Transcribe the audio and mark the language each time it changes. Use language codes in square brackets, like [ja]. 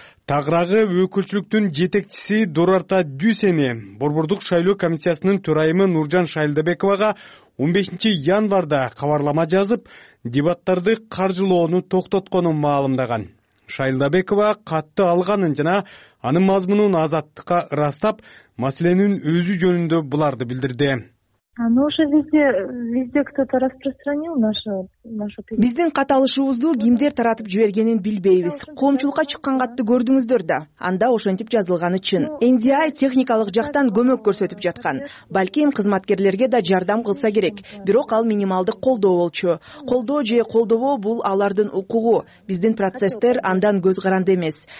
[ky] Тагырагы өкүлчүлүктүн жетекчиси Дурарта Дүсени борбордук шайлоо комиссиясынын төрайымы Нуржан Шайылдыбековага 15 январда кабарлама жазып, дебаттарды каржылоону токтотконун маалымдаган. Шайылдыбекова катты алганын жана анын мазмунун азаттыкка ырастап, маселенин өзү жөнүндө буларды билдирди. [ru] Везде кто-то распространил нашу передачу. [ky] Биздин каталышыбызды кимдер таратып жибергенин билбейбиз. Коомчулукка чыккан катты көрдүңүздөр да, анда ошентип жазылганы чын. NDI техникалык жактан көмөк көрсөтүп жаткан. Балким кызматкерлерге да жардам кылса керек, бирок ал минималдык колдоо болчу. Колдоо же колдобоо бул алардын укугу. Биздин процесстер андан көз каранды эмес.